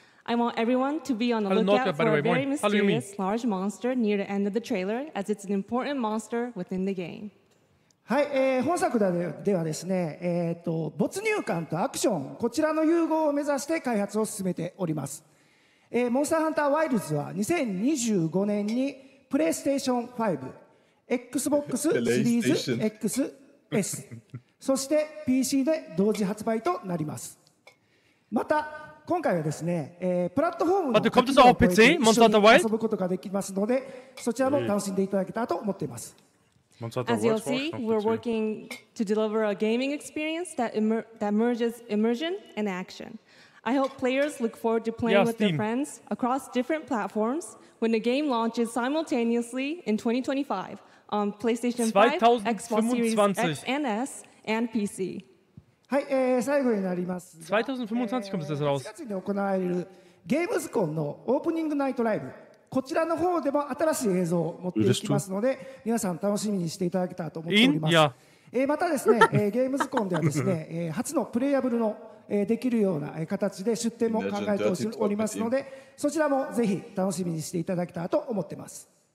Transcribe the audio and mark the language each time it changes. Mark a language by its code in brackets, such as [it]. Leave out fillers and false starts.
[en] I want everyone to be on the lookout for a very mysterious large monster near the end of the trailer, as it's an important monster within the game. [ja] はい、本作ではですね、没入感とアクション、こちらの融合を目指して開発を進めております。モンスターハンターワイルズは2025年にプレイステーション5、Xbox シリーズ XS、そして PC で同時発売となります。また、今回はですね、プラットフォームの一緒に遊ぶことができますので、そちらも楽しんでいただけたらと思っています。 [en] As you'll see, we're working to deliver a gaming experience that merges immersion and action. I hope players look forward to playing with their friends across different platforms when the game launches simultaneously in 2025 on PlayStation 5, Xbox Series X and S and PC. [ja] はい、最後になりますが。 2025かもしれないです。 4月に行われるゲームズコンのオープニングナイトライブ。こちらの方でも新しい映像を持っていきますので、皆さん楽しみにしていただけたらと思っております。またですね、ゲームズコンではですね、初のプレイアブルのできるような形で出展も考えておりますので、そちらもぜひ楽しみにしていただけたらと思っています。